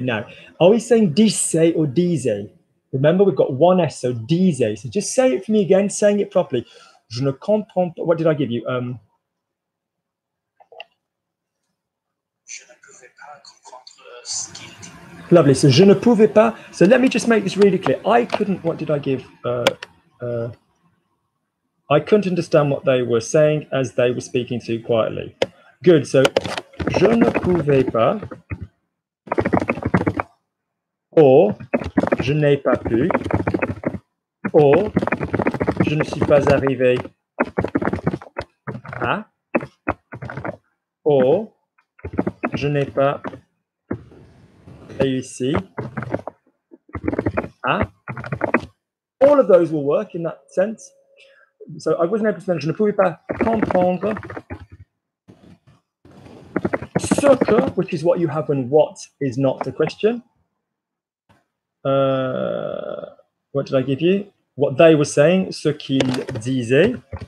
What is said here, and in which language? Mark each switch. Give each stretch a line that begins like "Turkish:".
English: Now, are we saying disait or disait? Remember, we've got one S, so disait. So just say it for me again, saying it properly.
French: Je ne comprends pas.
English: What did I give you?
French: Je ne pouvais pas comprendre ce qu'il dit.
English: Lovely. So
French: je ne pouvais pas.
English: So let me just make this really clear. I couldn't. What did I give? I couldn't understand what they were saying as they were speaking too quietly. Good.
French: So, je ne pouvais pas, or je n'ai pas pu, or je ne suis pas arrivé à, or je n'ai pas réussi à.
English: All of those will work in that sense. So, I wasn't able to understand.
French: Je ne pouvais pas comprendre.
English: Ce, which is what you have when what is not a question. What did I give you? What they were saying,
French: ce qu'ils disaient.